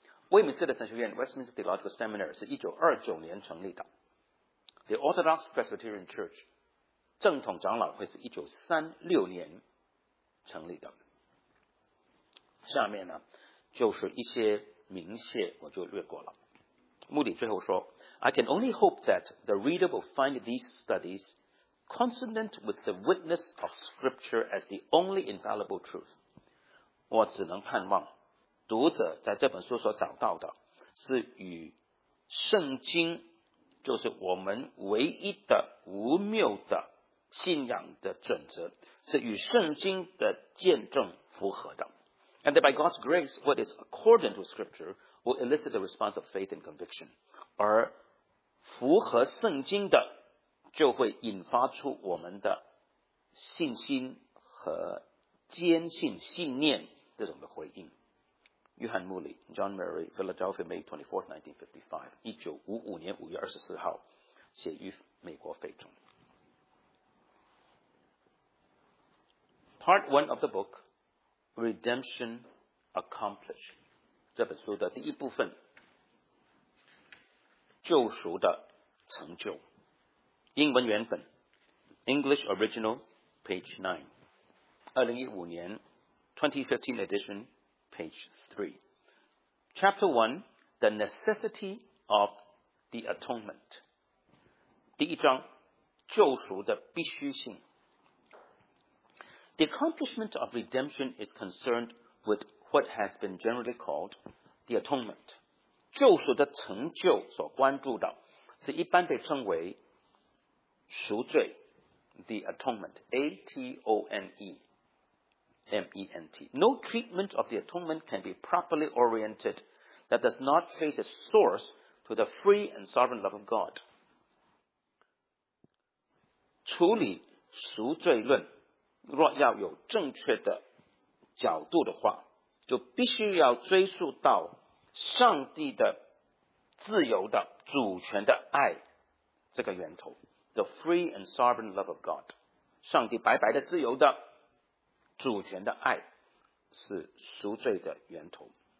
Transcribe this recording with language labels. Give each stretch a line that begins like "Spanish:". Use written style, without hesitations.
Chinese: 威敏斯特神学院 Westminster Theological Seminary 是1929年成立的。 The Orthodox Presbyterian Church 正统长老会是1936年成立的。下面呢就是一些明谢，我就略过了。穆里最后说，
English: I can only hope that the reader will find these studiesconsonant with the witness of Scripture as the only infallible truth.
Chinese: 我只能盼望读者在这本书所找到的是与圣经，就是我们唯一的无谬的信仰的准则，是与圣经的见证符合的。
English: And that by God's grace, what is according to Scripture will elicit the response of faith and conviction.
Chinese: 而符合圣经的就会引发出我们的信心和坚信信念这种的回应。约翰穆里 John Murray Philadelphia May 24, 1955 1955年5月24号写于美国费中。
English: Part 1 of the book Redemption Accomplished
Chinese: 这本书的第一部分，救赎的成就。英文原本
English: English Original Page 9 2015年 2015 Edition Page 3 Chapter 1 The Necessity of the Atonement
Chinese: 第一章救赎的必须性。
English: The accomplishment of redemption is concerned with what has been generally called the atonement.
Chinese: 救赎的成就所关注的是一般被称为赎罪 the atonement, A-T-O-N-E-M-E-N-T.
English: No treatment of the atonement can be properly oriented that does not trace its source to the free and sovereign love of God.
Chinese: 处理赎罪论若要有正确的角度的话，就必须要追溯到上帝的自由的主权的爱这个源头
English: The free and sovereign love of God
Chinese: 上帝白白的自由的主权的爱是赎罪的源头